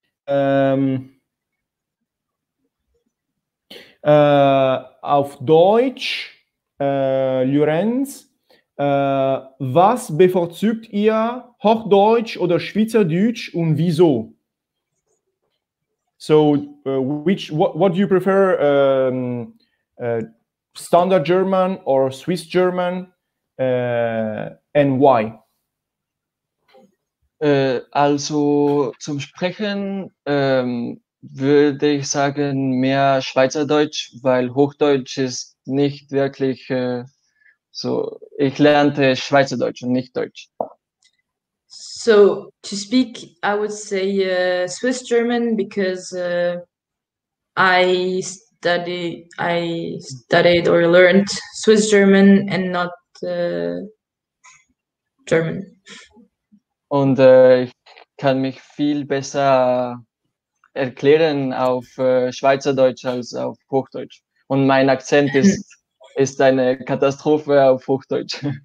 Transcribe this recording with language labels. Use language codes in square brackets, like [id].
[de] Auf Deutsch, Llorenç, was bevorzugt ihr, Hochdeutsch oder Schweizerdeutsch und wieso? [en] So, what do you prefer, standard German or Swiss German, and why? [de] Also zum Sprechen würde ich sagen mehr Schweizerdeutsch, weil Hochdeutsch ist nicht wirklich so. Ich lernte Schweizerdeutsch und nicht Deutsch. [en] So to speak, I would say Swiss German because I studied or learned Swiss German and not German. [de] Und ich kann mich viel besser erklären auf Schweizerdeutsch als auf Hochdeutsch. Und mein Akzent ist eine Katastrophe auf Hochdeutsch.